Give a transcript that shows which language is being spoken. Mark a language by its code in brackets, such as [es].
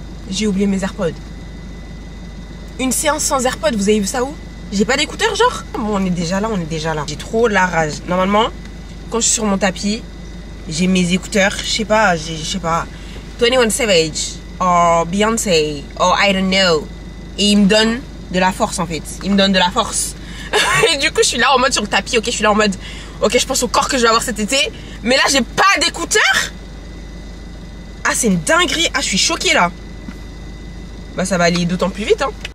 [fr] J'ai oublié mes AirPods. Une séance sans AirPods, vous avez vu ça où? J'ai pas d'écouteurs genre? Bon, on est déjà là, on est déjà là. J'ai trop la rage. Normalement, quand je suis sur mon tapis, j'ai mes écouteurs. Je sais pas, je sais pas. [en] 21 Savage, or Beyoncé, or I don't know. [fr] Et ils me donnent de la force en fait. Ils me donnent de la force. Et du coup, je suis là en mode sur le tapis, ok? Je suis là en mode, ok, je pense au corps que je vais avoir cet été. Mais là, j'ai pas d'écouteurs? Ah, c'est une dinguerie. Ah, je suis choquée là. Bah ça va aller d'autant plus vite hein.